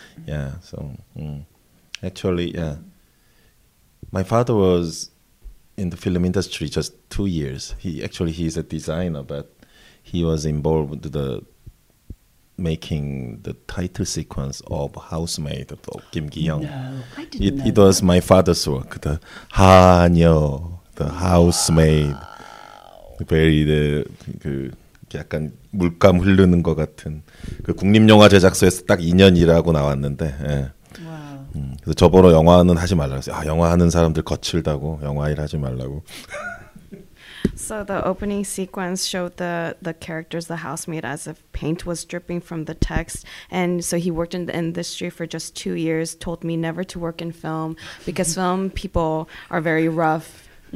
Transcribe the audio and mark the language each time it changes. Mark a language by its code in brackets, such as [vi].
[en] Yeah, so actually, my father was in the film industry just 2 years. He's a designer, but he was involved with the making the title sequence of Housemaid of Kim Ki-young. No, I didn't It was my father's work, the Hanyo, the Housemaid. Wow. Very [ko] 그 약간 물감 흐르는 것 같은 그 국립영화 제작소에서 딱 2년 일하고 나왔는데 그래서 저번에 영화는 하지 말라고 했어요. 아, 영화 하는 사람들 거칠다고 영화 일 하지 말라고. [en] So the opening sequence showed the characters, the housemaid, as if paint was dripping from the text. And so he worked in the industry for just 2 years, told me never to work in film because film people are very rough.